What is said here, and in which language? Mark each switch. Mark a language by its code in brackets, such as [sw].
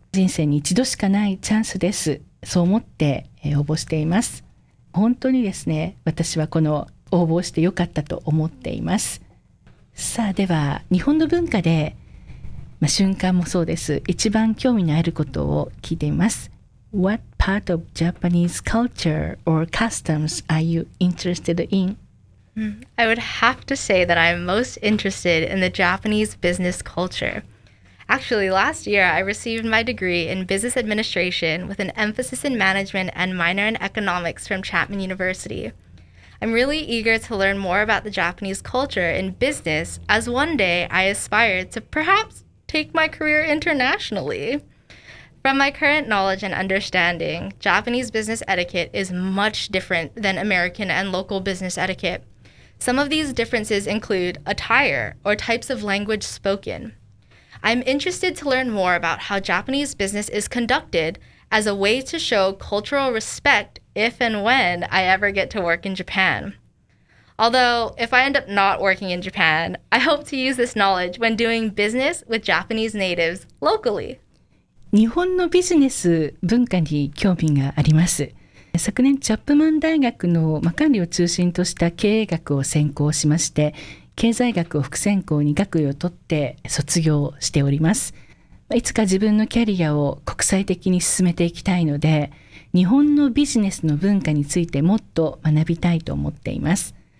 [ja] 人生に一度しかないチャンスです。そう思って応募しています。本当にですね、私はこの応募をしてよかったと思っています。さあ、では日本の文化で、まあ、瞬間もそうです、一番興味のあることを聞いています。 [en] What part of Japanese culture or customs are you interested in? I would have to say that I am most interested in the Japanese business culture. Actually, last year I received my degree in business administration with an emphasis in management and minor in economics from Chapman University. I'm really eager to learn more about the Japanese culture in business, as one day I aspire to perhaps take my career internationally. From my current knowledge and understanding, Japanese business etiquette is much different than American and local business etiquette. Some of these differences include attire or types of language spoken. I'm interested to learn more about how Japanese business is conducted as a way to show cultural respect if and when I ever get to work in Japan. Although, if I end up not working in Japan, I hope to use this knowledge when doing business with Japanese natives locally. [ja] 日本のビジネス文化に興味があります。昨年チャップマン大学の管理を中心とした経営学を専攻しまして、経済学を副専攻に学位を取って卒業しております。いつか自分のキャリアを国際的に進めていきたいので、日本のビジネスの文化についてもっと学びたいと思っています。